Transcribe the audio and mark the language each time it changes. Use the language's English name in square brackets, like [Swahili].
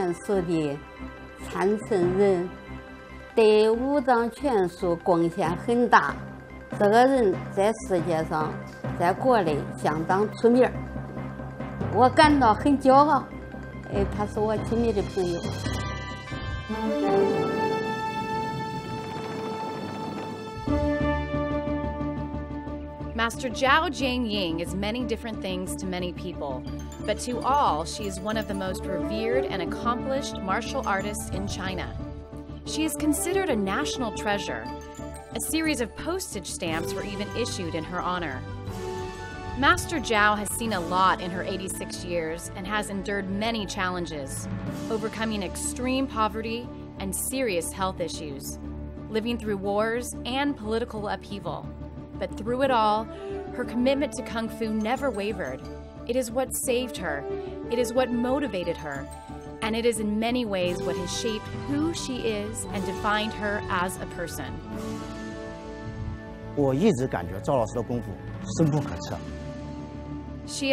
[Chinese] 赵老师，特别是不但功夫好，他的为人呢，有一个大家的风度哦。我们家的任何一个大事小事，我们都愿意跟奶奶讲，让奶奶做这个决定。我们都很相信她，她有这种能力，是我们家的一个核心，是我们家的宝贝。她是武当拳术的传承人。对武当拳术贡献很大，这个人在世界上，在国内相当出名，我感到很骄傲。哎，他是我亲密的朋友。Master [English] Zhao Jianying is many different things to many people, but to all, she is one of the most revered and accomplished martial artists in China. She is considered a national treasure. A series of postage stamps were even issued in her honor. Master Zhao has seen a lot in her 86 years and has endured many challenges, overcoming extreme poverty and serious health issues, living through wars and political upheaval. But through it all, her commitment to Kung Fu never wavered. It is what saved her. It is what motivated her. And it is in many ways what has shaped who she is and defined her as a person. [Chinese] 我一直感觉赵老师的功夫深不可测。She